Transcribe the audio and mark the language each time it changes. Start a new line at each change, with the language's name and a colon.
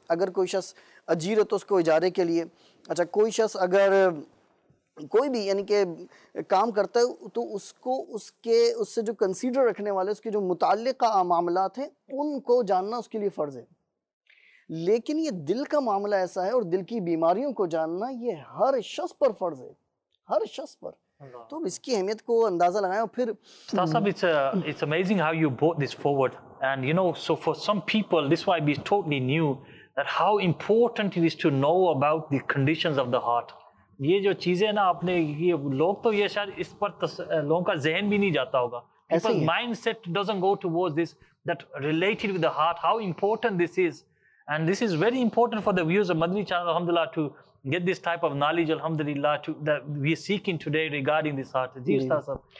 Urdu: اگر کوئی شخص اجیر ہے تو اس کو اجارے کے لیے. اچھا کوئی شخص اگر کوئی بھی یعنی کہ کام کرتا ہے تو اس کو اس سے جو کنسیڈر رکھنے والے, اس کے جو متعلقہ معاملات ہیں ان کو جاننا اس کے لیے فرض ہے. لیکن یہ دل کا معاملہ ایسا ہے اور دل کی بیماریوں کو جاننا یہ ہر شخص پر فرض ہے, ہر شخص پر. تو اس کی اہمیت کو اندازہ لگائیں. اور پھر
English: صاحب it's amazing how you brought this forward, and you know, so for some people this might be totally new that how important it is to know about the conditions of the heart.
Urdu: یہ جو چیزیں نا آپ نے, یہ لوگ تو یہ شاید اس پر لوگوں کا ذہن بھی نہیں جاتا ہوگا,
English: Mind set doesn't go towards this that related with the heart, how important this is. And this is very important for the views of Madani channel الحمد للہ to get this type of knowledge الحمد للہ to that we seek in today regarding this heart.
Urdu: جی استاد صاحب,